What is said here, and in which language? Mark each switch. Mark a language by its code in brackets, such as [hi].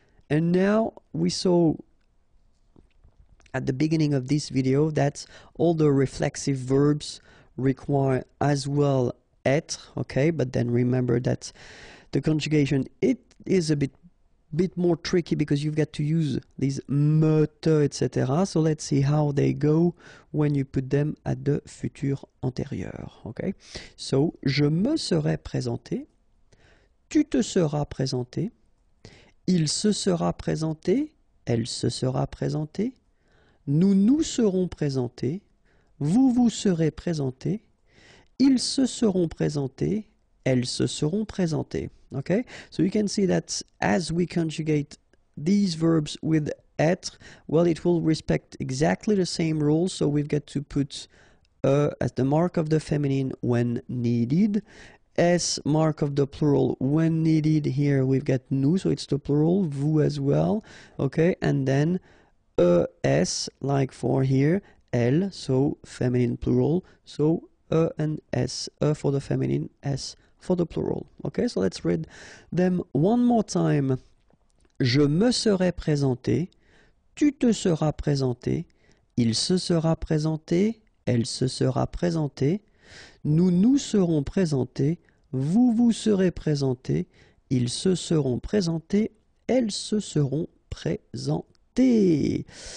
[en] And now we saw at the beginning of this video that all the reflexive verbs require as well être, okay, but then remember that the conjugation, it is a bit more tricky because you've got to use these me, te, etc. So let's see how they go when you put them at the futur antérieur, okay? [fr] So, je me serai présenté, tu te seras présenté, il se sera présenté, elle se sera présentée, nous nous serons présentés, vous vous serez présentés, ils se seront présentés, elles se seront présentées. [en] Okay? So you can see that as we conjugate these verbs with être, well, it will respect exactly the same rule. So we've got to put e as the mark of the feminine when needed, s mark of the plural when needed. Here we've got nous, so it's the plural, vous as well. Okay, and then e s like for here, elle, so feminine plural, so e and s, e for the feminine, s for the plural. Okay, so let's read them one more time. [fr] Je me serai présenté, tu te seras présenté, il se sera présenté, elle se sera présentée, nous nous serons présentés, vous vous serez présentés, ils se seront présentés, elles se seront présentées.